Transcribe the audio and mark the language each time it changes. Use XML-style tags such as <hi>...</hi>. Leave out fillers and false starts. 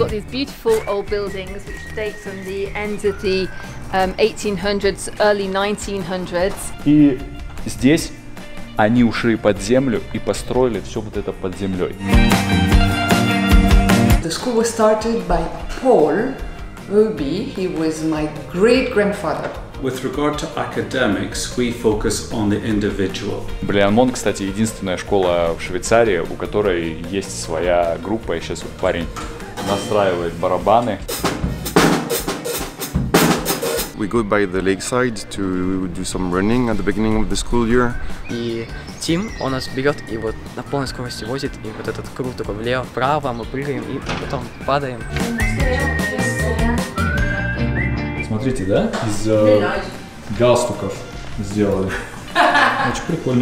<en>Beautiful old buildings which date from the end of the 1800s, early 1900s.</en> <ru>И здесь они ушли под землю и построили все вот это под землей.</ru> <en>The school was started by Paul Ruby. He was my great grandfather. With regard to academics, we focus on the individual.</en> <ru>Бриллиамонт, кстати, единственная школа в Швейцарии, у которой есть своя группа. И сейчас вот парень настраивает барабаны.</ru> <en>We go by the lakeside to do some running at the beginning of the school year.</en> <ru>И Тим, он нас берет и вот на полной скорости возит, и вот этот круг такой влево-вправо, мы прыгаем и потом падаем. Смотрите, да, из галстуков сделали. Очень прикольно.</ru>